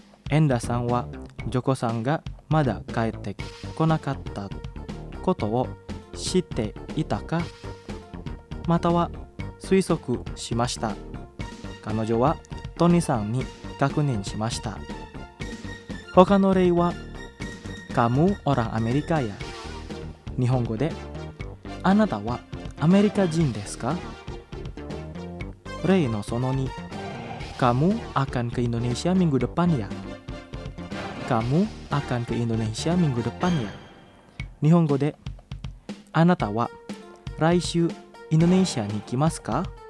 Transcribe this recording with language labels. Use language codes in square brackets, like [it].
[ja] エンダさんはジョコさんがまだ帰ってこなかったことを知っていたか、または推測しました。彼女はトニさんに確認しました。他の例は [id] Kamu orang Amerika ya。 [ja] 日本語であなたはアメリカ人ですか。例のその2 [id] Kamu akan ke Indonesia minggu depan ya。 Kamu akan ke Indonesia minggu depan ya。 [ja] 日本語であなたは来週インドネシアに来ますか?